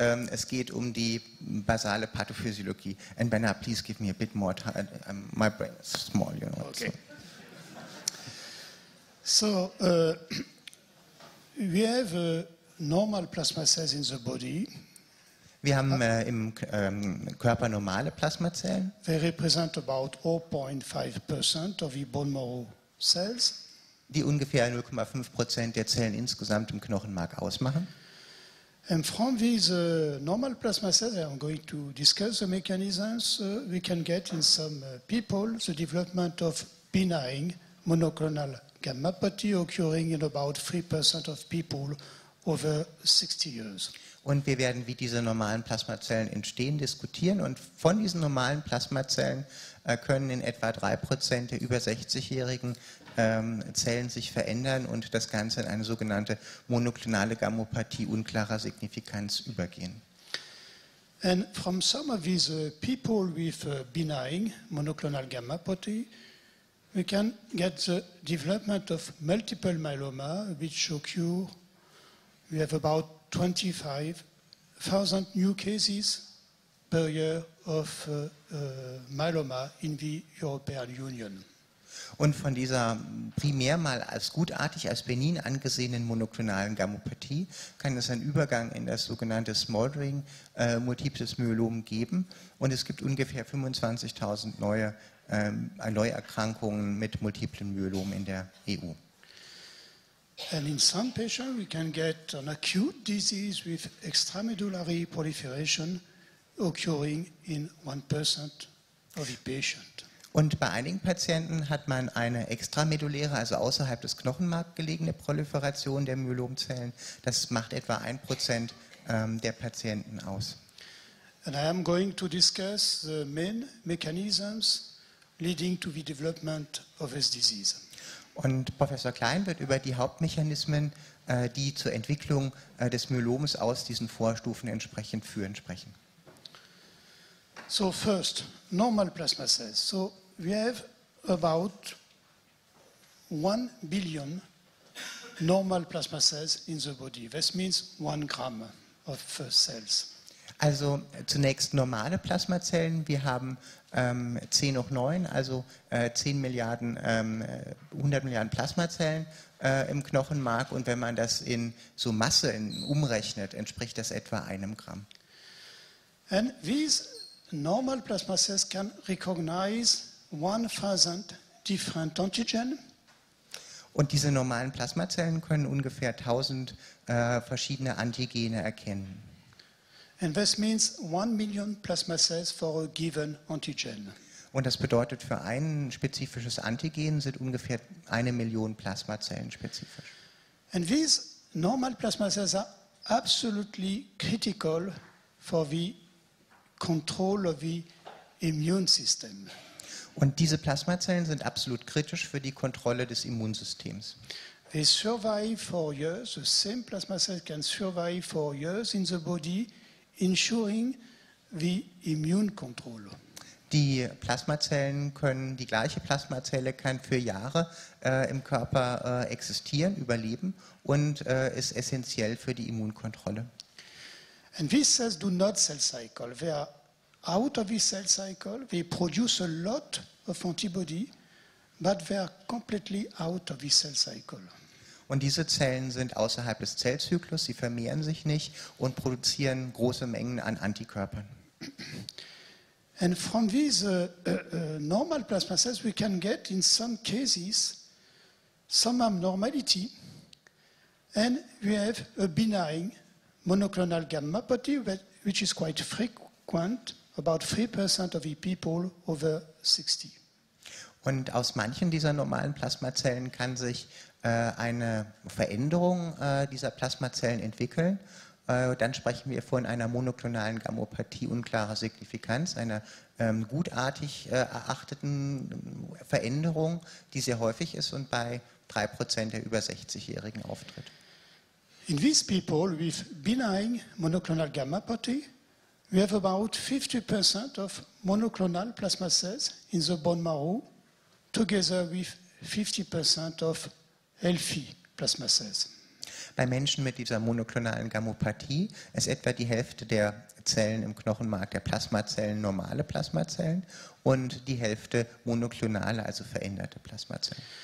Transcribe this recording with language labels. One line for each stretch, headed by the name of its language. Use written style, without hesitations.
German: Es geht um die basale Pathophysiologie.
English: And Bernard, please give me a bit more time. My brain is small, you know. Okay. So, we have normal plasma cells in the body.
German: Wir haben im Körper normale Plasmazellen.
English: They represent about 0.5% of the bone marrow cells.
German: Die ungefähr 0.5% der Zellen insgesamt im Knochenmark ausmachen.
English: And from these normal plasma cells, I'm going to discuss the mechanisms we can get in some people, the development of benign monoclonal gammopathy occurring in about 3% of people over 60 years.
German: Und wir werden, wie diese normalen Plasmazellen entstehen, diskutieren. Und von diesen normalen Plasmazellen können in etwa 3% der über 60-jährigen Zellen sich verändern und das Ganze in eine sogenannte monoklonale Gammopathie unklarer Signifikanz übergehen.
English: And from some of these people with benign monoclonal gammopathy, we can get the development of multiple myeloma, which occur. We have about 25,000 new cases per year of myeloma in the European Union.
German: Und von dieser primär mal als gutartig, als benign angesehenen monoklonalen Gammopathie kann es einen Übergang in das sogenannte Smoldering multiples Myelom geben. Und es gibt ungefähr 25.000 neue Neuerkrankungen mit multiplen Myelomen in der EU.
English: And in some patients we can get an acute disease with extramedullary proliferation occurring in 1% of the patient.
German: Und bei einigen Patienten hat man eine extramedulläre, also außerhalb des Knochenmarks gelegene Proliferation der Myelomzellen. Das macht etwa 1% der Patienten aus.
English: And I am going to discuss the main mechanisms leading to the development of this disease.
German: Und Professor Klein wird über die Hauptmechanismen, die zur Entwicklung des Myeloms aus diesen Vorstufen entsprechend führen, sprechen.
English: So first, normal plasma cells. So we have about 1 billion normal plasma cells in the body. This means 1 gram of cells.
German: Also zunächst normale Plasmazellen. Wir haben 10 hoch 9, also 10 Milliarden, 100 Milliarden Plasmazellen im Knochenmark. Und wenn man das in so Masse umrechnet, entspricht das etwa 1 Gramm.
English: And these normal plasma cells can recognize 1000 different antigen.
German: Und diese normalen Plasmazellen können ungefähr 1000 verschiedene Antigene erkennen.
English: And this means 1 million plasma cells for a given antigen.
German: Und das bedeutet, für ein spezifisches Antigen sind ungefähr 1 Million Plasmazellen spezifisch.
English: And these normal plasma cells are absolutely critical for the control of the immune system.
German: Und diese Plasmazellen sind absolut kritisch für die Kontrolle des Immunsystems.
English: They survive for years. The same plasma cells can survive for years in the body, ensuring the immune control.
German: Die Plasmazellen können, die gleiche Plasmazelle kann für Jahre im Körper existieren, überleben und ist essentiell für die Immunkontrolle.
English: And these cells do not cell cycle. They are out of the cell cycle. They produce a lot of antibody, but they are completely out of the cell cycle.
German: Und diese Zellen sind außerhalb des Zellzyklus, sie vermehren sich nicht und produzieren große Mengen an Antikörpern.
English: And from these normal plasma cells we can get in some cases some abnormality and we have a benign monoclonal gammopathy which is quite frequent, about 3% of the people over 60.
German: Und aus manchen dieser normalen Plasmazellen kann sich eine Veränderung dieser Plasmazellen entwickeln. Dann sprechen wir von einer monoklonalen Gammopathie unklarer Signifikanz, einer gutartig erachteten Veränderung, die sehr häufig ist und bei 3% der über 60-Jährigen auftritt.
English: In these people with benign monoclonal gammopathy, we have about 50% of monoclonal plasma cells in the bone marrow, together with 50% of healthy plasma cells.
German: Bei Menschen mit dieser monoklonalen Gammopathie ist etwa die Hälfte der Zellen im Knochenmark der Plasmazellen normale Plasmazellen und die Hälfte monoklonale, also veränderte Plasmazellen.